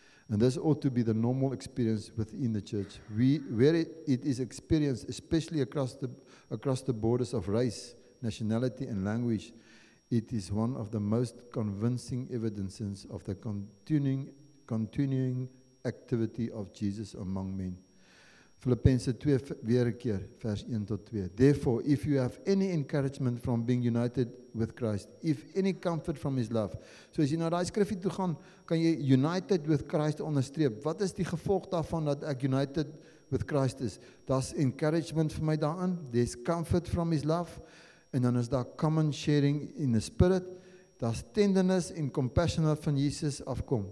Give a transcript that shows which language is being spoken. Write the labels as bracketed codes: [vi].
[en] And this ought to be the normal experience within the church. Where it is experienced, especially across the borders of race, nationality, and language, it is one of the most convincing evidences of the continuing activity of Jesus among men. [af] Philippians 2, weer een keer, vers 1 tot 2. [en] Therefore, if you have any encouragement from being united with Christ, if any comfort from his love. So as you know, [af] die skrifie toe gaan, kan jy [en] united with Christ [af] onderstreep. Wat is die gevolg daarvan dat ek [en] united with Christ [af] is? Daar's encouragement vir my daarin, [en] there's comfort from his love, [af] en dan is daar common sharing in the spirit, daar's tenderness en compassion van Jesus afkom.